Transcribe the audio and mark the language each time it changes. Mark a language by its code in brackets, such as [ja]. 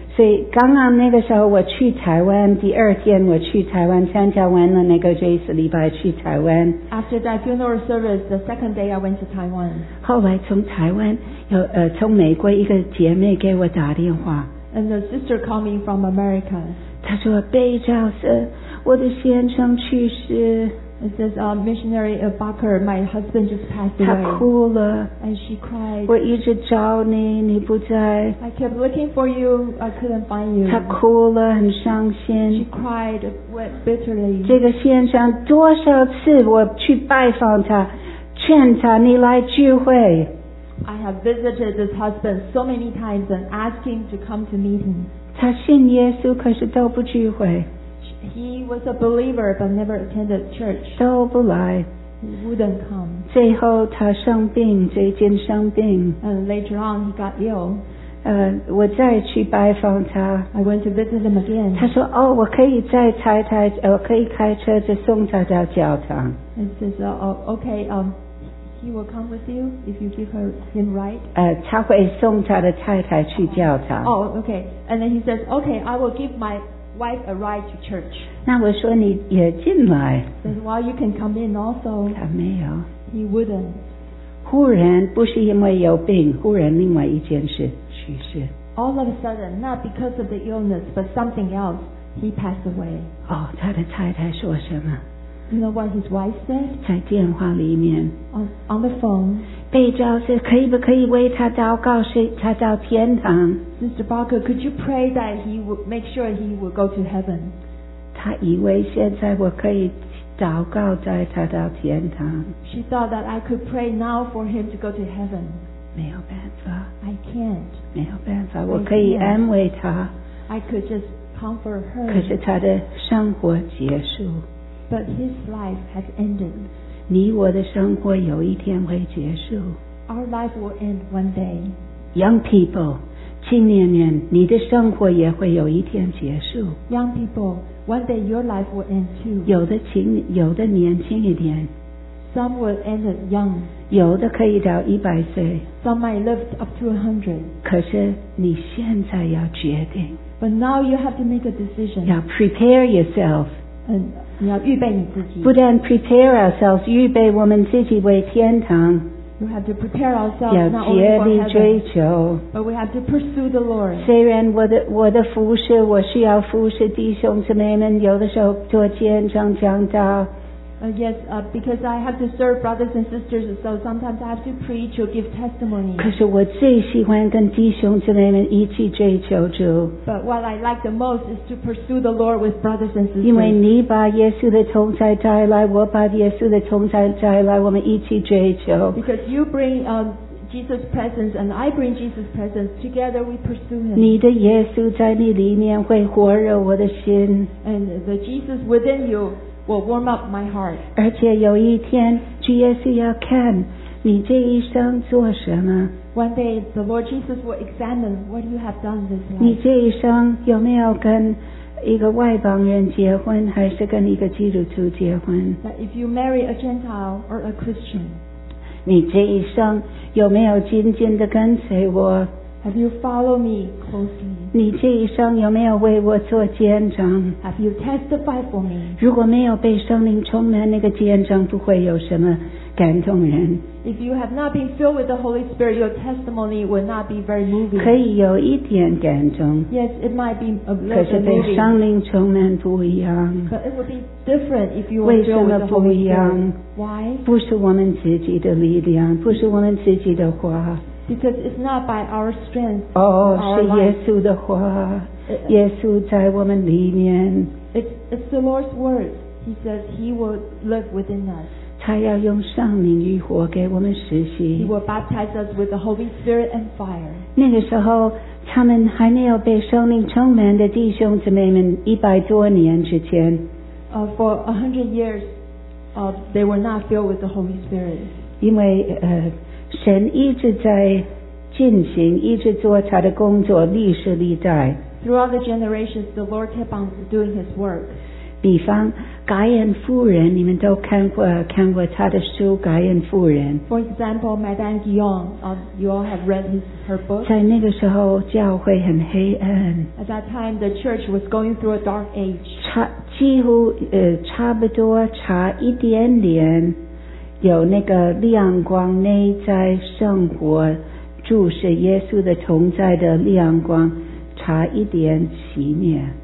[zh] 所以刚刚那个时候我去台湾，第二天我去台湾参加完了那个追思礼拜去台湾。 [en] After that funeral service, the second day I went to Taiwan. [zh] 后来从台湾有从美国一个姐妹给我打电话。 [en] And the sister called me from America. [zh] 她说贝教授。我的先生去世。 [en] It says, missionary Barker, my husband just passed away. [zh] 他哭了。 [en] And she cried. [zh] 我一直找你，你不在。 [en] I kept looking for you, I couldn't find you. [zh] 他哭了，很伤心。 [en] She cried bitterly. [zh] 这个先生多少次我去拜访他，劝他你来聚会。 [en] I have visited this husband so many times and asked him to come to meet him. [zh] 他信耶稣，可是都不聚会。 [en] He was a believer but never attended church. [zh] 都不来。 [en] He wouldn't come. [zh] 最后他生病，最近生病。 [en] And later on he got ill. [zh] 我再去拜访他。 [en] I went to visit him again. [zh] 他说哦，我可以再开台，我可以开车去送他到教堂。 [en] He says, okay, he will come with you if you give him a ride. [zh] 他会送他的太太去教堂。 [en] Oh, okay. And then he says, okay, I will give my... wife arrived to church. [zh] 那我说你也进来。 [en] Said, well, you can come in also. [zh] 他没有。 [en] He wouldn't. [zh] 忽然不是因为有病，忽然另外一件事去世。 [en] All of a sudden, not because of the illness, but something else, he passed away. [zh] 哦，他的太太说什么？ [en] You know what his wife said? [zh] 在电话里面。 [en] On the phone. [zh] 被叫是可以不可以为他祷告，是他到天堂。 [en] Mr. Barker, could you pray that he would make sure he would go to heaven? [zh] 他以为现在我可以祷告带他到天堂。 [en] She thought that I could pray now for him to go to heaven. [zh] 没有办法。 [en] I can't. [zh] 没有办法，我可以安慰他。 [en] I could just comfort her. [zh] 可是他的生活结束。 [en] But his life has ended. [zh] 你我的生活有一天会结束。 [en] Our life will end one day. Young people. [zh] 青年人，你的生活也会有一天结束。 [en] Young people, one day your life will end too. [zh] 有的年轻一点。 [en] Some will end young. [zh] 有的可以到100岁。 [en] Some might live up to 100. [zh] 可是你现在要决定。 [en] But now you have to make a decision. [zh] 要 [en] prepare yourself. [zh] 你要预备你自己。不但 [en] prepare ourselves, [zh] 预备我们自己为天堂。 [en] We have to prepare ourselves not only for heaven, [zh] 要竭力追求。 [en] But we have to pursue the Lord. [zh] 虽然我的服事，我需要服事弟兄姊妹们，有的时候做见证讲道。 [en] Because I have to serve brothers and sisters, so sometimes I have to preach or give testimony. [zh] 可是我最喜欢跟弟兄姊妹们一起追求主。 [en] But what I like the most is to pursue the Lord with brothers and sisters. [zh] 因为你把耶稣的同在带来，我把耶稣的同在带来，我们一起追求。 [en] Because you bring Jesus' presence and I bring Jesus' presence, together we pursue Him. [zh] 你的耶稣在你里面会火热我的心。 [en] And the Jesus within you. Will warm up my heart. [zh] 而且有一天，主耶稣要看你这一生做什么。 [en] One day, the Lord Jesus will examine what you have done this life. [zh] 你这一生有没有跟一个外邦人结婚，还是跟一个基督徒结婚 [en] ？That if you marry a Gentile or a Christian. [zh] 你这一生有没有紧紧地跟随我 [en] ？Have you followed me closely? [zh] 你这一生有没有为我做见证 [en] ？Have you testified for me？ [zh] 如果没有被圣灵充满，那个见证不会有什么感动人。 [en] If you have not been filled with the Holy Spirit, your testimony will not be very moving. [zh] 可以有一点感动。 [en] Yes, it might be a little bit moving. [zh] 可是被圣灵充满不一样。 [en] But it would be different if you were filled with the Holy Spirit. [zh] 为什么不一样？ [en] Why? [zh] 不是我们自己的力量，不是我们自己的话。 [en] Because it's not by our strength. [zh] 哦，是耶稣的话。耶稣在我们里面。 [en] It's the Lord's word. He says He will live within us. [zh] 他要用圣灵与火给我们施洗。 [en] He will baptize us with the Holy Spirit and fire. [zh] 那个时候，他们还没有被圣灵充满的弟兄姊妹们，一百多年之前。 [en] For 100 years, they were not filled with the Holy Spirit. [zh] 因为神一直在进行，一直做他的工作，历世历代。 [en] Throughout the generations, the Lord kept on doing His work. [zh] 比方该恩夫人，你们都看过她的书《该恩夫人》。 [en] For example, Madame Guillon, you all have read her book. [zh] 在那个时候，教会很黑暗。 [en] At that time, the church was going through a dark age. [zh] 差一点点，有那个亮光内在生活，注视耶稣的同在的亮光，差一点熄灭。